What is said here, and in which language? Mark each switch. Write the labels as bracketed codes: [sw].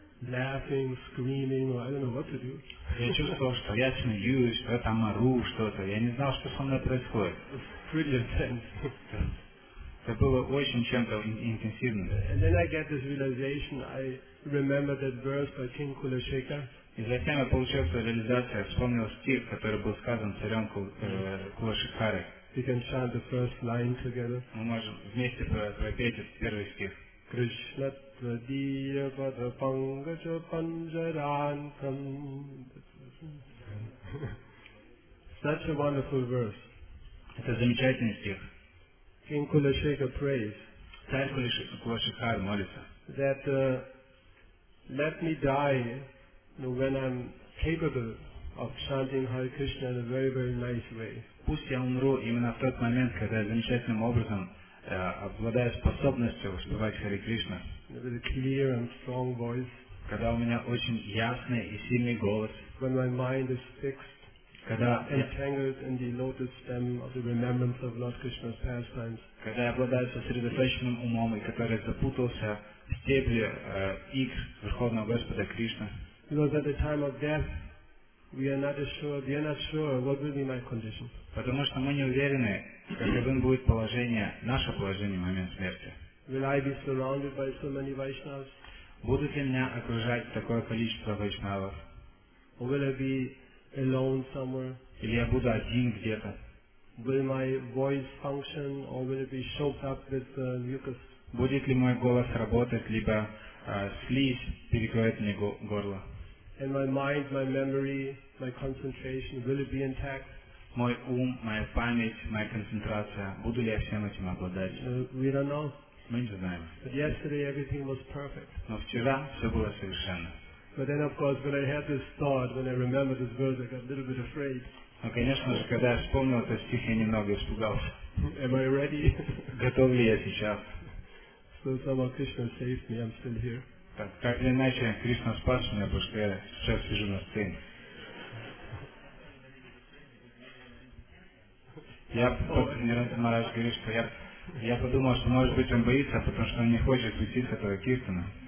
[en] laughing, screaming, or I don't know what to do. [ru] Я чувствовал, что я смеюсь, что я там ору, что-то. Я не знал, что со мной происходит. [en] Pretty intense. [ru] Это было очень чем-то интенсивным. [en] And then I get this realization, I remember that verse by King Kulashekar. [ru] И затем я получил эту реализацию, я вспомнил стих, который был сказан царем Кулашекхарой. [en] We can chant the first line together. [ru] Мы можем вместе пропеть этот первый стих. [sa] Krishna tvadiya pada pangaja panjarantam. [en] Such a wonderful verse. [ru] Это замечательный стих. [en] King Kulashekar prays. [ru] Царь Кулашекхар молится. [en] That let me die when I'm capable of chanting Hare Krishna in a very, very nice way. [ru] Пусть я умру именно в тот момент, когда я замечательным образом обладаю способностью воспевать Харе Кришна. [en] With a clear and strong voice. [ru] Когда у меня очень ясный и сильный голос. [en] When my mind is fixed. [ru] Когда [en] entangled in the lotus stem of the remembrance of Lord Krishna's pastimes. [ru] Когда я обладаю сосредоточенным умом, и который запутался в стебле иг Верховного Господа Кришны. [en] Because at the time of death, we are not sure. We are not sure what will be my condition. [ru] Потому что мы не уверены, каковым будет положение, наше положение в момент смерти. [en] Will I be surrounded by so many Vaishnavas? [ru] Будут ли меня окружать такое количество Вайшнавов? [en] Or will I be alone somewhere? [ru] Или я буду один где-то? [en] Will my voice function, or will it be choked up with mucus? [ru] Будет ли мой голос работать, либо слизь перекроет мне горло? [en] And my mind, my memory, my concentration, will it be intact? [ru] Мой ум, моя память, моя концентрация, буду ли я всем этим обладать? [en] We don't know. [ru] Мы не знаем. [en] But yesterday everything was perfect. [ru] Но вчера все было совершенно. [en] But then, of course, when I had this thought, when I remembered this verse, I got a little bit afraid. [ru] Но, конечно же, когда я вспомнил этот стих, я немного испугался. [en] Am I ready? [ru] Готов ли я сейчас? [en] So somehow Krishna saved me, I'm still here. [ru] Так или иначе, Кришна спас меня, потому что я сейчас сижу на сцене. Я Мараш говорит, что я подумал, что может быть он боится, потому что он не хочет уйти с этого киртана.